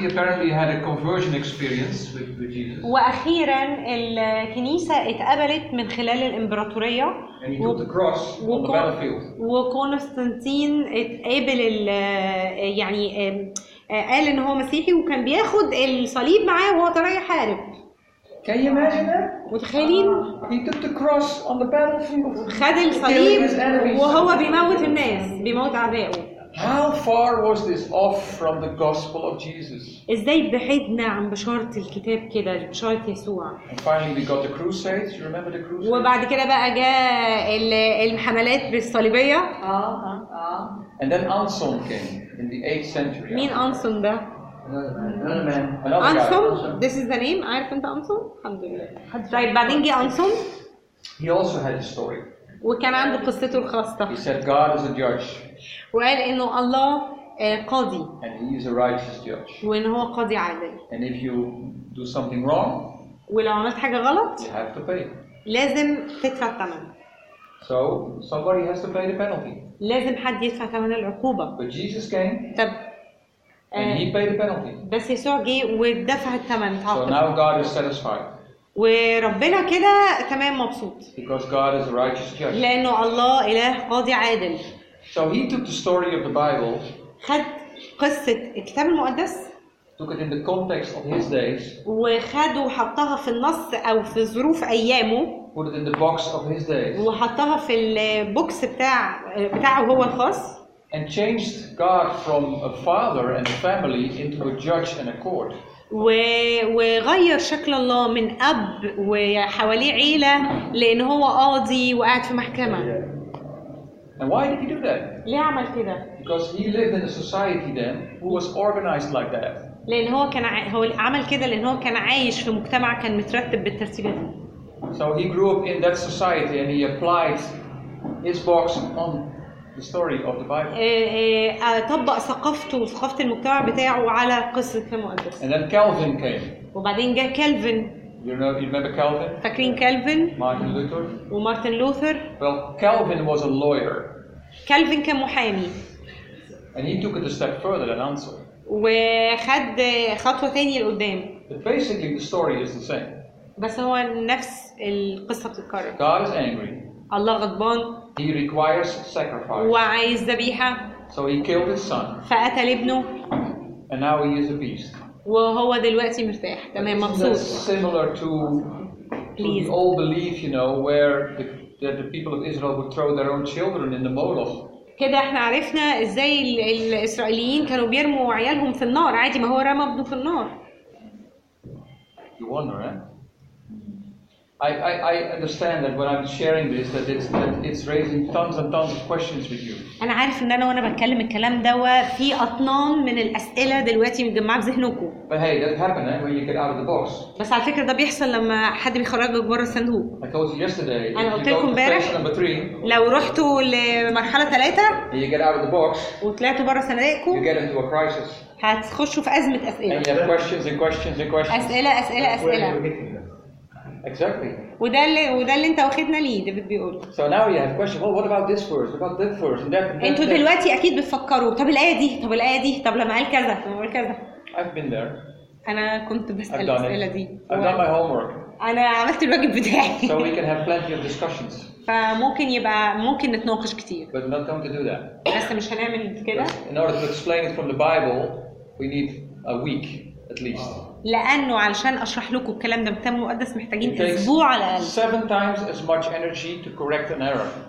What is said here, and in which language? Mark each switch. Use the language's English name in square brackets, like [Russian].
[English] He apparently had a conversion experience with Jesus. [Arabic] وأخيراً الكنيسة اتقبلت من خلال الإمبراطورية. [English] And he took the cross on the battlefield. [Arabic] وكونستانتين اتقبل يعني قال إن هو مسيحي وكان بياخد الصليب معاه وهو رايح يحارب. [English] Can you imagine that? [Arabic] متخيلين؟ [English] He took the cross on the battlefield. [Arabic] خد الصليب وهو بيموت الناس، بيموت أعدائه. [English] How far was this off from the gospel of Jesus? [Arabic] ازاي بعدنا عن بشارة الكتاب كده، بشارة يسوع؟ [English] And finally we got the crusades. You remember the crusades? [Arabic] وبعد كده بقى جاء الحملات بالصليبية. [English] And then Anselm came in the 8th century. [Arabic] مين Anselm ده؟ [English] Another man. Anselm. This is the name. [Arabic] عارف انت Anselm؟ الحمد لله. طيب بعدين جه Anselm. [English] He also had a story. [Arabic] وكان عنده قصته الخاصة. [English] He said God is a judge. [Arabic] وقال إنه الله قاضي. [English] And he is a righteous judge. [Arabic] وإنه هو قاضي عادل. [English] And if you do something wrong. [Arabic] ولو عملت حاجة غلط. [English] You have to pay. [Arabic] لازم تدفع ثمن. [English] So somebody has to pay the penalty. [Arabic] لازم حد يدفع ثمن العقوبة. [English] But Jesus came. [Arabic] طب. [English] And he paid the penalty. [Arabic] بس يسوع جه ودفع الثمن. [English] So now God is satisfied. [Arabic] وربنا كده تمام مبسوط. [English] Because God is a righteous judge. [Arabic] لأنه الله إله قاضي عادل. [English] So he took the story of the Bible. [Arabic] خد قصة الكتاب المقدس. [English] Took it in the context of his days. [Arabic] وخده وحطها في النص أو في ظروف أيامه. [English] Put it in the box of his days. [Arabic] وحطها في البوكس بتاعه هو الخاص. [English] And changed God from a father and a family into a judge and a court. [Arabic] وغير شكل الله من أب وحواليه عيلة لأن هو قاضي وقاعد في محكمة. [English] And why did he do that? [Arabic] ليه عمل كده؟ [English] Because he lived in a society then who was organized like that. [Arabic] لأن هو كان هو عمل كده لأن هو كان عايش في مجتمع كان مترتب بالترتيب ده. [English] So he grew up in that society and he applied his box on the story of the Bible. [Arabic] طبق ثقافته وثقافة المجتمع بتاعه على قصة المقدس. [English] And then Calvin came. [Arabic] وبعدين جه كالفن. [English] You remember Calvin? [Arabic] فاكرين كالفن؟ [English] Martin Luther. [Arabic] ومارتن لوثر. [English] Well, Calvin was a lawyer. [Arabic] كالفن كان محامي. [English] And he took it a step further than Anselm. [Arabic] وخد خطوة تانية لقدام. [English] But basically, the story is the same. [Arabic] بس هو نفس القصة بتتكرر. [English] God is angry. [Arabic] الله غضبان. [English] He requires sacrifice. [Arabic] وعايز ذبيحة. [English] So he killed his son. [Arabic] فقتل ابنه. [English] And now he is a beast. [Arabic] وهو دلوقتي مرتاح تمام مبسوط. [English] Similar to the old belief, you know, where the people of Israel would throw their own children in the Moloch. [Arabic] كده احنا عرفنا ازاي الاسرائيليين كانوا بيرموا عيالهم في النار عادي ما هو رمى ابنه في النار. [English] You wonder, eh? I understand that when I'm sharing this, that it's raising tons and tons of questions with you. [Arabic] أنا عارف إن أنا وأنا بتكلم الكلام دوا في أطنان من الأسئلة دلوقتي متجمعة في ذهنكم. [English] But hey, that happened, eh? When you get out of the box. [Arabic] بس على فكرة ده بيحصل لما حد بيخرجك بره الصندوق. [English] I told you yesterday. [Arabic] أنا قلت لكم امبارح. لو رحتوا لمرحلة ثلاثة. [English] And you get out of the box. [Arabic] وطلعتوا بره صندوقكم. [English] You get into a crisis. [Arabic] هتخشوا في أزمة أسئلة. [English] And you have questions and questions and questions. [Arabic] أسئلة أسئلة أسئلة. [English] Exactly. [Arabic] وده اللي انت واخدنا ليه ده بيقول. [English] So now you have a question. Well, what about this verse? What about that verse? And that. [Arabic] انتوا دلوقتي اكيد بتفكروا طب الايه دي طب الايه دي طب لما قال كذا طب لما قال كذا. [English] I've been there. [Arabic] انا كنت بسال الاسئله دي. [English] I've done my homework. [Arabic] انا عملت الواجب بتاعي. [English] So we can have plenty of discussions. [Arabic] فممكن يبقى ممكن نتناقش كتير. [English] But not going to do that. [Arabic] بس مش هنعمل كده. [English] In order to explain it from the Bible, we need a week at least. [Arabic] لانه علشان اشرح لكم الكلام ده بالكتاب المقدس محتاجين اسبوع على الاقل [English] 7 times as much energy to correct an error